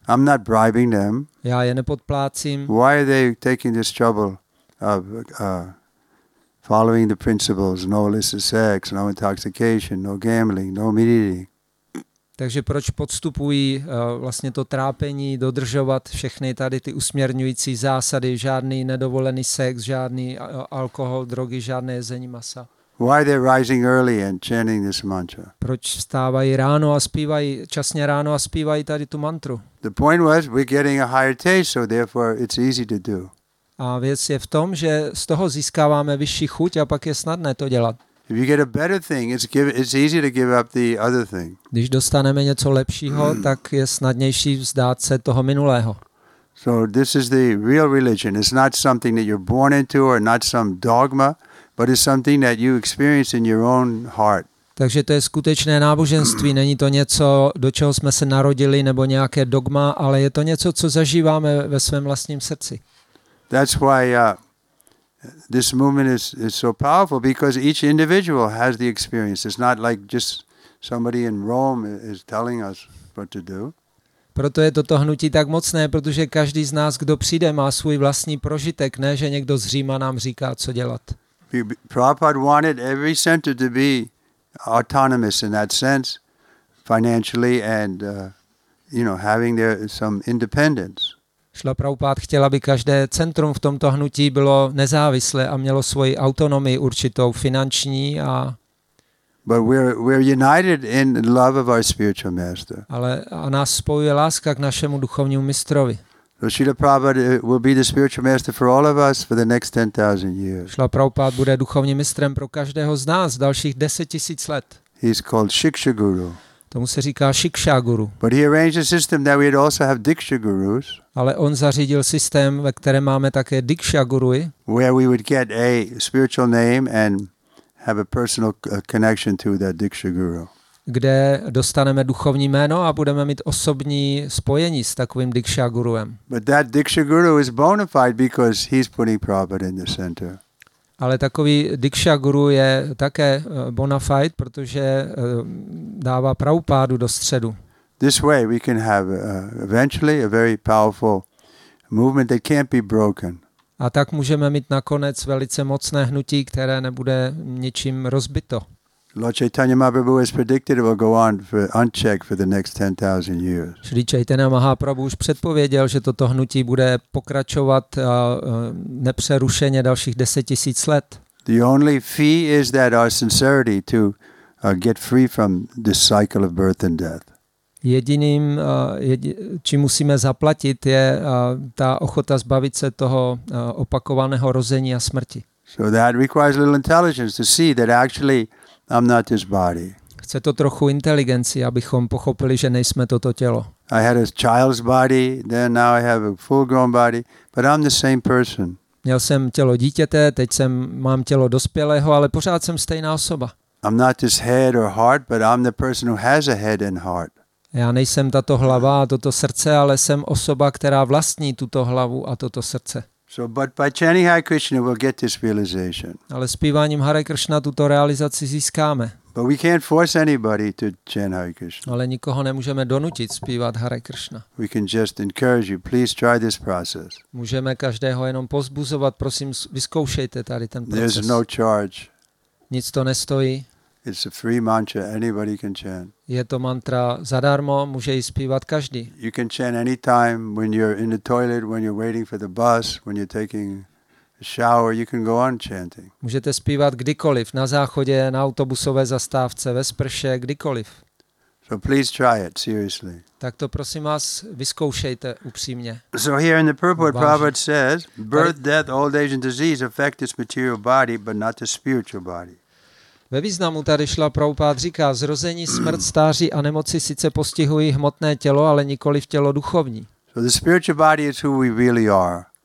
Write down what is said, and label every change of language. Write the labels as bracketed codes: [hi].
[en] I'm not bribing them. [cs] Já je nepodplácím. [en] Why are they taking this trouble of following the principles, no illicit sex, no intoxication, no gambling, no immediately? [cs] Takže proč podstupují vlastně to trápení dodržovat všechny tady ty usměrňující zásady, žádný nedovolený sex, žádný alkohol, drogy, žádné jezení masa? [en] Why they're rising early and chanting this mantra? [cs] Proč vstávají ráno a zpívají časně ráno a zpívají tady tu mantru? [en] The point was we're getting a higher taste, so therefore it's easy to do. [cs] A věc je v tom, že z toho získáváme vyšší chuť a pak je snadné to dělat. [en] If you get a better thing, it's easy to give up the other thing. [cs] Když dostaneme něco lepšího, tak je snadnější vzdát se toho minulého. [en] So this is the real religion. It's not something that you're born into or not some dogma, but it's something that you experience in your own heart. [cs] Takže to je skutečné náboženství, není to něco, do čeho jsme se narodili nebo nějaké dogma, ale je to něco, co zažíváme ve svém vlastním srdci. [en] That's why this movement is so powerful, because each individual has the experience. It's not like just somebody in Rome is telling us what to do. [cs] Proto je toto hnutí tak mocné, protože každý z nás, kdo přijde, má svůj vlastní prožitek, ne že někdo z Říma nám říká, co dělat. [en] Prabhupada wanted every center to be autonomous in that sense, financially and having their some independence. [cs] Šrila Prabhupáda chtěl, aby každé centrum v tomto hnutí bylo nezávislé a mělo svoji autonomii určitou finanční a... [en] But we're united in love of our spiritual master. [cs] Ale a nás spojuje láska k našemu duchovnímu mistrovi. [en] So Šrila Prabhupáda will be the spiritual master for all of us for the next 10,000 years. [cs] Šrila Prabhupáda bude duchovním mistrem pro každého z nás dalších 10,000 let. [en] He's called Shiksha Guru. [cs] Tomu se říká Shiksha Guru. [en] But he arranged a system that we'd also have Diksha Gurus. [cs] Ale on zařídil systém, ve kterém máme také Diksha Gurui. [en] Where we would get a spiritual name and have a personal connection to that Diksha Guru. [cs] Kde dostaneme duchovní jméno a budeme mít osobní spojení s takovým Diksha Guruem. [en] But that Diksha Guru is bona fide because he's putting Prabhupada in the center. [cs] Ale takový Diksha Guru je také bona fide, protože dává Prabhupádu do středu. [en] This way we can have eventually a very powerful movement that can't be broken. [cs] A tak můžeme mít nakonec velice mocné hnutí, které nebude ničím rozbito. [en] Lord Chaitanya Mahaprabhu has predicted it will go on for unchecked for the next 10,000 years. [cs] Shri Chaitanya Mahaprabhu už předpověděl, že toto hnutí bude pokračovat nepřerušeně dalších 10,000 let. [en] The only fee is that our sincerity to get free from this cycle of birth and death. [cs] Jediným, či musíme zaplatit, je ta ochota zbavit se toho opakovaného rození a smrti. [en] So that requires little intelligence to see that actually I'm not this body. [cs] Chce to trochu inteligenci, abychom pochopili, že nejsme toto tělo. [en] I had a child's body, then now I have a full-grown body, but I'm the same person. [cs] Měl jsem tělo dítěte, teď jsem mám tělo dospělého, ale pořád jsem stejná osoba. [en] I'm not this head or heart, but I'm the person who has a head and heart. [cs] Já nejsem tato hlava a toto srdce, ale jsem osoba, která vlastní tuto hlavu a toto srdce. [en] So, but by chanting Hare Krishna, we'll get this realization. [cs] Ale zpíváním Hare Krishna tuto realizaci získáme. [en] But we can't force anybody to chant Hare Krishna. [cs] Ale nikoho nemůžeme donutit zpívat Hare Krishna. [en] We can just encourage you. Please try this process. [cs] Můžeme každého jenom pozbuzovat. Prosím, vyzkoušejte tady ten proces. [en] There's no charge. [cs] Nic to nestojí. [en] It's a free mantra. Anybody can chant. [cs] Je to mantra zadarmo, může ji zpívat každý. [en] You can chant anytime when you're in the toilet, when you're waiting for the bus, when you're taking a shower. You can go on chanting. [cs] Můžete zpívat kdykoliv, na záchodě, na autobusové zastávce, ve sprše, kdykoliv. [en] So please try it seriously. [cs] Tak to prosím vás vyzkoušejte upřímně. [en] So here in the purport, Prabhupada says, birth, death, old age and disease affect this material body, but not the spiritual body. [cs] Ve významu tady Šrila Prabhupáda říká, zrození, smrt, stáří a nemoci sice postihují hmotné tělo, ale nikoli v tělo duchovní. [en] So the spiritual body is who we really are.